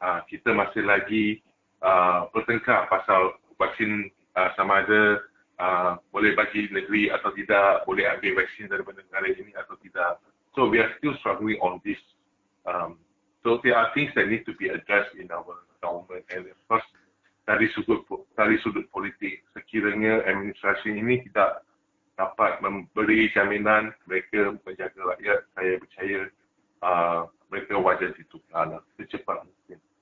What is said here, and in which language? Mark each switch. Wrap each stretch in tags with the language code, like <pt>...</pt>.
<ms>Kita masih lagi bertengkar pasal vaksin sama ada boleh bagi negeri atau tidak, boleh ambil vaksin daripada negara ini atau tidak.</ms> <en>So we are still struggling on this. So there are things that need to be addressed in our government. And of course,</en> <ms>dari sudut politik, sekiranya administrasi ini tidak dapat memberi jaminan mereka menjaga rakyat, saya percaya mereka wajar ditukarlah secepat mungkin.</ms>